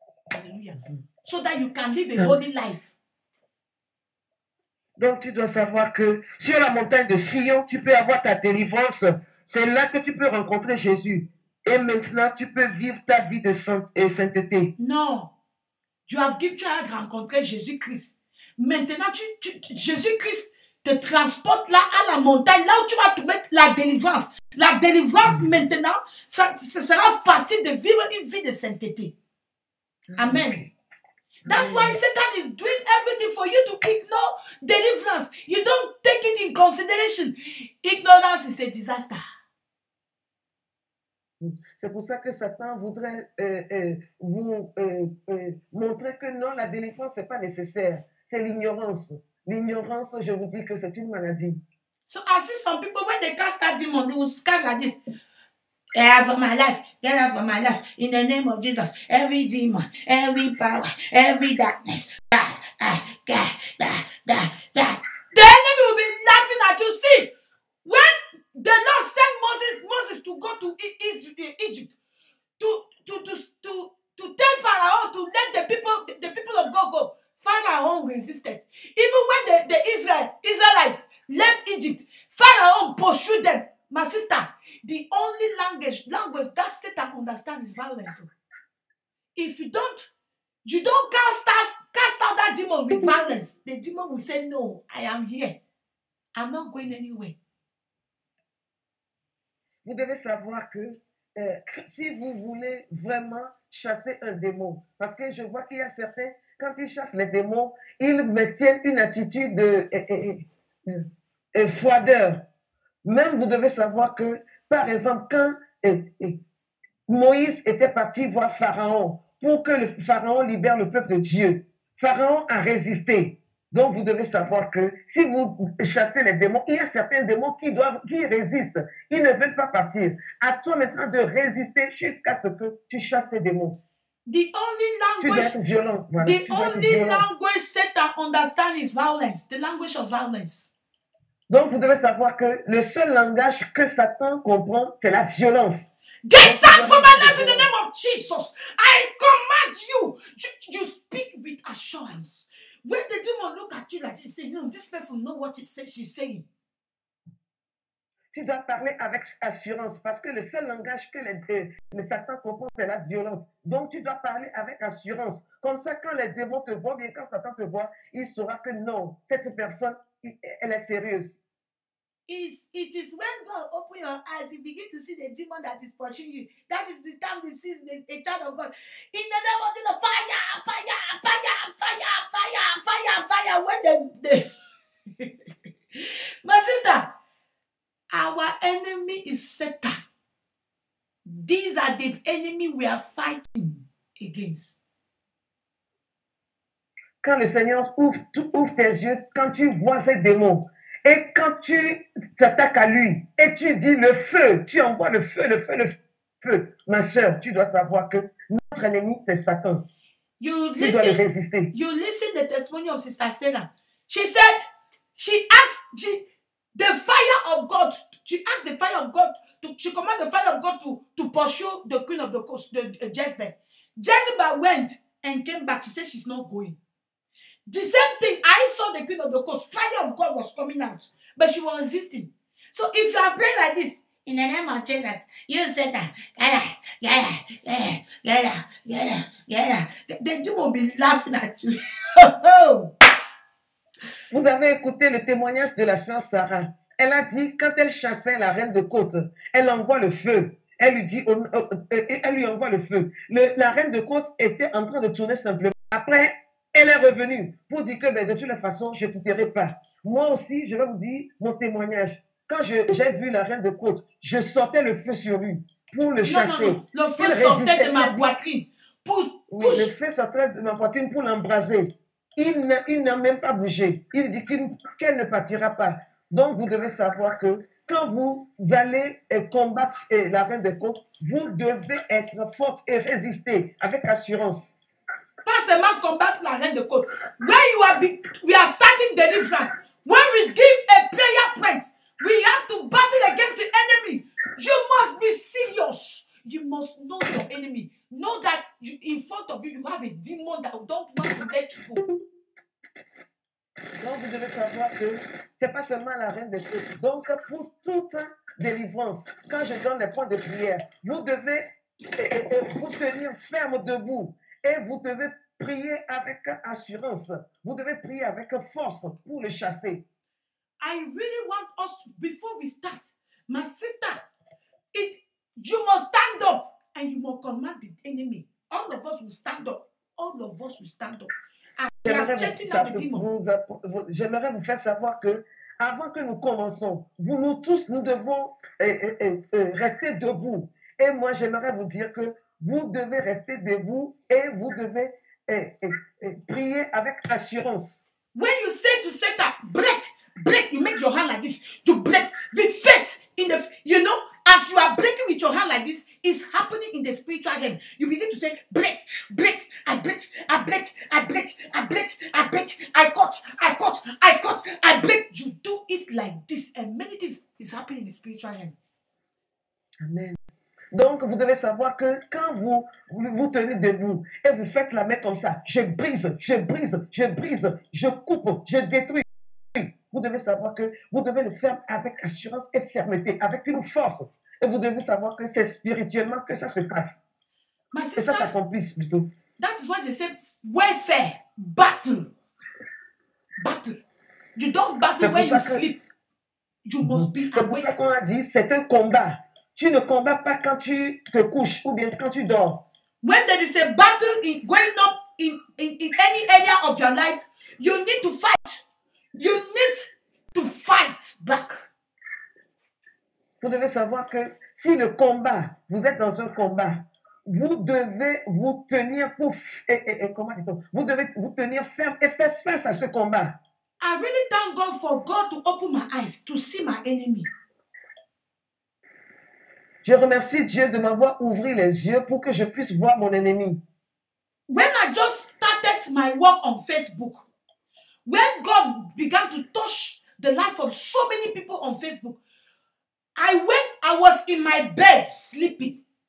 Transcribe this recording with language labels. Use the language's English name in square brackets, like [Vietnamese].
[English] Hallelujah. So that you can live a holy life. [French] Donc, tu dois savoir que sur la montagne de Sion, tu peux avoir ta délivrance. C'est là que tu peux rencontrer Jésus. Et maintenant, tu peux vivre ta vie de sainteté. Non. Tu as rencontré Jésus-Christ. Maintenant, Jésus-Christ te transporte là, à la montagne, là où tu vas trouver la délivrance. La délivrance, maintenant, ce sera facile de vivre une vie de sainteté. Amen. Okay. [English] That's why Satan is doing everything for you to ignore deliverance. You don't take it in consideration. Ignorance is a disaster. [French] C'est pour ça que Satan voudrait montrer que non, la délivrance n'est pas nécessaire. C'est l'ignorance. L'ignorance, je vous dis que c'est une maladie. [English] So I see some people when they cast out demons, they will scatter like this. Get out of my life, get out of my life, in the name of Jesus. Every demon, every power, every darkness. The enemy will be laughing at you. See, when the Lord sent Moses to go to Egypt, to tell Pharaoh to let the people of God go, Pharaoh resisted. Even when the Israelites left Egypt, Pharaoh pursued them. My sister, the only language that Satan understands is violence. If you don't cast out that demon with violence, the demon will say, no, I am here. I'm not going anywhere. [French] Vous devez savoir que si vous voulez vraiment chasser un démon, parce que je vois qu'il y a certains, quand ils chassent les démons, ils maintiennent une attitude de froideur. Même vous devez savoir que, par exemple, quand Moïse était parti voir Pharaon pour que le Pharaon libère le peuple de Dieu, Pharaon a résisté. Donc, vous devez savoir que si vous chassez les démons, il y a certains démons qui résistent. Ils ne veulent pas partir. À toi maintenant de résister jusqu'à ce que tu chasses ces démons. [English] The only language, [French] violent, voilà. [English] The only language Satan understands is violence, the language of violence. [French] Donc, vous devez savoir que le seul langage que Satan comprend, c'est la violence. [English] Get out from my life in the name of Jesus. I command you. You speak with assurance. When the demon look at you like this, say, no, this person know what he says, she's saying. [French] Tu dois parler avec assurance parce que le seul langage que le Satan comprend, c'est la violence. Donc, tu dois parler avec assurance. Comme ça, quand les démons te voient, bien quand Satan te voit, il saura que non, cette personne, elle est sérieuse. [English] It is when God open your eyes, you begin to see the demon that is pursuing you. That is the time you see a child of God. In the name of Jesus, fire, fire, fire, fire, fire, fire, fire. When the my sister, our enemy is Satan. These are the enemy we are fighting against. [French] Quand le Seigneur ouvre tes yeux, quand tu vois ces démons, et quand tu t'attaques à lui, et tu dis le feu, tu envoies le feu, le feu, le feu. Ma soeur, tu dois savoir que notre ennemi, c'est Satan. [English] You [French] tu [English] listen, [French] dois le résister. [English] You listen the testimony of Sister Sena. She said, she asked the fire of God, she asked the fire of God, to, she commanded the fire of God to pursue the queen of the coast, Jezebel. Jezebel went and came back. She said she's not going. The same thing, I saw the queen of the coast, fire of God was coming out, but she was resisting. So if you are praying like this, in the name of Jesus, you said that, the demon will be laughing at you. [French] Vous avez écouté le témoignage de la sœur Sarah. Elle a dit, quand elle chassait la reine de côte, elle envoie le feu. Elle lui dit, elle lui envoie le feu. La reine de côte était en train de tourner simplement. Après, elle est revenue pour dire que ben, de toute façon, je ne quitterai pas. Moi aussi, je vais vous dire mon témoignage. Quand j'ai vu la reine de côte, je sortais le feu sur lui pour le chasser. Non. Le feu sortait de ma poitrine. Le feu sortait de ma poitrine pour l'embraser. Il n'a même pas bougé. Il dit qu'elle ne partira pas. Donc, vous devez savoir que quand vous allez combattre la reine de côte, vous devez être forte et résister avec assurance. Pas seulement combattre la reine de côte. [English] When we are starting deliverance, when we give a prayer point, we have to battle against the enemy. You must be serious. You must know your enemy. Know that you, in front of you, you have a demon that don't want to let you go. [French] Donc, vous devez savoir que ce n'est pas seulement la reine de feu. Donc, pour toute délivrance, quand je donne les points de prière, vous devez vous tenir ferme debout et vous devez prier avec assurance. Vous devez prier avec force pour le chasser. [English] I really want us to, before we start, my sister, you must stand up and you must command the enemy. All of us will stand up. All of us will stand up. [French] J'aimerais vous faire savoir que avant que nous commençons, nous devons rester debout. Et moi, j'aimerais vous dire que vous devez rester debout et vous devez prier avec assurance. [English] When you say to Satan, break, you make your hand like this, you break with faith in the, you know, as you are breaking with your hand like this, it's happening in the spiritual realm. You begin to say, break, I break, I cut. You do it like this, and many things is happening in the spiritual realm. Amen. [French] Donc, vous devez savoir que quand vous tenez debout et vous faites la main comme ça, je brise, je coupe, je détruis. Vous devez savoir que vous devez le faire avec assurance et fermeté, avec une force. Et vous devez savoir que c'est spirituellement que ça se passe. [English] Sister, [French] et ça s'accomplisse plutôt. [English] That is why they say, warfare, battle. You don't battle when you sleep. You must be awake. [French] C'est pour ça qu'on a dit, c'est un combat. Tu ne combats pas quand tu te couches ou bien quand tu dors. [English] When there is a battle in going up in any area of your life, you need to fight. You need to fight back. [French] Vous devez savoir que si le combat, vous êtes dans un combat, vous devez vous tenir vous tenir ferme et faire face à ce combat. [English] I really thank God for God to open my eyes to see my enemy. [French] Je remercie Dieu de m'avoir ouvert les yeux pour que je puisse voir mon ennemi. [English] When I just started my work on Facebook, when God began to touch the life of so many people on Facebook, I was in my bed sleeping.